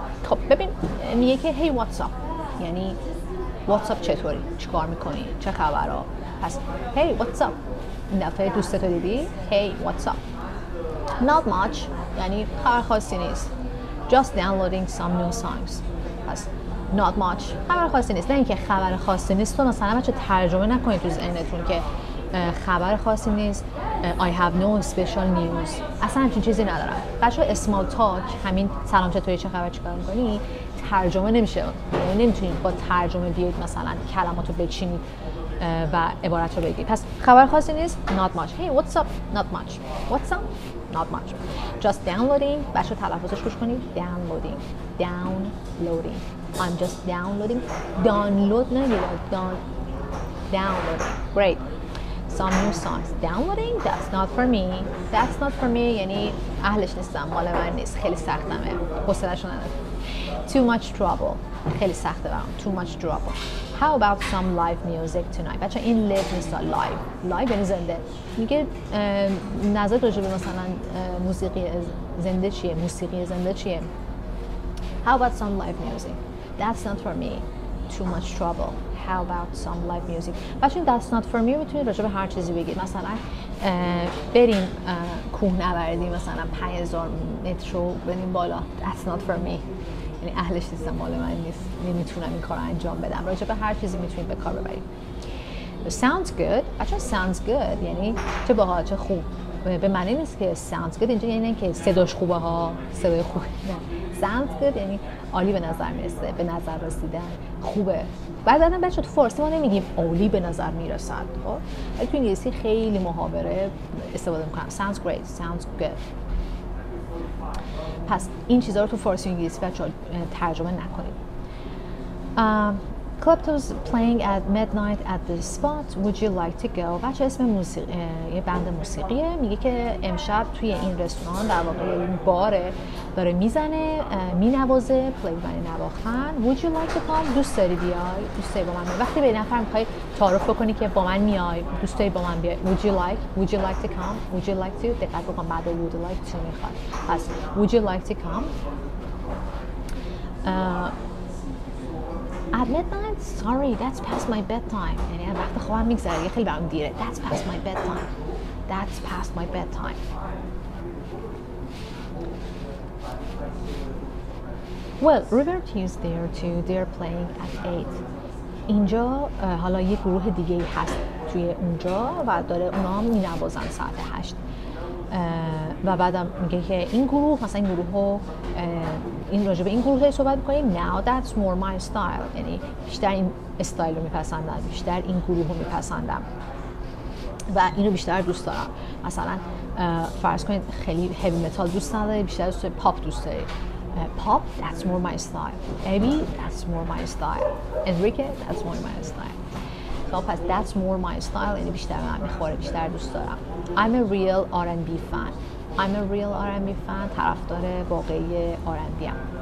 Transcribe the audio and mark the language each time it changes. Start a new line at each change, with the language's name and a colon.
Persian: خب ببین، میگه که هی واتس اپ، یعنی واتس اپ چطوری، چی کار میکنی، چه خبرا. پس هی واتس اپ، این دفعه دوسته تو دیدی؟
English: Hey, what's up? Not much.
Persian: یعنی خبر خاصی نیست.
English: Just downloading some new songs. پس not much.
Persian: خبر خاصی نیست. نه اینکه خبر خاصی نیست. تو مثلا بچه ترجمه نکنید تو ذهنتون که خبر خاصی نیست.
English: I have no special news.
Persian: اصلا همچین چیزی ندارم. بچه ها small talk، همین سلام چطوری، چه خبر، چیکار می‌کنی، ترجمه نمیشه. نمیتونید با ترجمه بیاید مثلا کلماتو بچینید و عبارت رو بگید. پس خبر خاصی نیست؟
English: Not much. Hey, what's up? Not much. What's up? Not much. Just downloading.
Persian: بچه تلفظش گوش کنید.
English: Downloading. Downloading. I'm just downloading.
Persian: Download نه یه Download.
English: Great. Some new songs. Downloading? That's not for me. That's not for me.
Persian: یعنی اهلش نیستم. مال من نیست. خیلی سختمه. حسدش رو ندارم.
English: Too much trouble.
Persian: خیلی سخته برام. Too much trouble.
English: How about some live music tonight?
Persian: بچه این live نیست، live. Live یعنی زنده. میگه نظر راجع به مثلا موسیقی زنده چیه؟ موسیقی زنده چیه؟
English: How about some live music? That's not for me. Too much trouble. How about some live music?
Persian: بچه این
English: that's not for me
Persian: میتونید راجع به هر چیزی بگید. مثلا بریم کوه نوردی مثلا 5000 متر رو بریم بالا.
English: That's not for me.
Persian: یعنی اهلش نیستم، مال من نیست، نمیتونم این کار رو انجام بدم. راجع به هر چیزی میتونیم به کار ببریم.
English: Sounds good.
Persian: بچه sounds good یعنی چه باحال، چه خوب. به معنی نیست که sounds good اینجا یعنی که صداش خوبه ها، صدای خوبه. نه. Sounds good یعنی عالی به نظر میرسه، به نظر رسیدن، خوبه. بعد بعدا بچه تو فارسی ما نمیگیم عالی به نظر میرسد، ولی تو انگلیسی خیلی محاوره استفاده میکنم.
English: Sounds great. Sounds good.
Persian: پس این چیزها رو تو فارسی و انگلیسی بچه ها ترجمه نکنید.
English: Klepto's playing at midnight at the spot. Would you like to go?
Persian: بچه اسم موسیقی، یه بند موسیقیه، میگه که امشب توی این رستوران در واقع این باره داره میزنه، مینوازه، پلی بند نواختن.
English: Would you like to come?
Persian: دوست داری بیای؟ دوست داری با من بیای؟ وقتی به نفر میخوای تعارف بکنی که با من میای، دوست داری با من بیای.
English: Would you like? Would you like to come? Would you like to?
Persian: دقت بکن بعد would like to میخواد.
English: پس would you like to come? At midnight? Sorry, that's past my bedtime.
Persian: یعنی وقت خوابم میگذره، یه خیلی برام دیره.
English: That's past my bedtime. That's past my bedtime. Well, River T is there too. They're playing at 8.
Persian: اینجا حالا یه گروه دیگه هست توی اونجا و داره اونا هم مینوازن ساعت 8. و بعدم میگه که این گروه، مثلا این گروه رو این راجبه این گروه صحبت میکنیم.
English: Now that's more my style.
Persian: یعنی بیشتر این استایل رو میپسندم، بیشتر این گروه رو میپسندم و اینو بیشتر دوست دارم. مثلا فرض کنید خیلی هیوی متال دوست نداری، بیشتر دوست پاپ دوست داری.
English: Pop, that's more my style. Abby, that's more my style. Enrique, that's more my style. So, پس that's more my style.
Persian: یعنی بیشتر من میخوره، بیشتر دوست دارم.
English: I'm a real R&B fan. I'm a real R&B fan.
Persian: طرفدار واقعی R&B ام.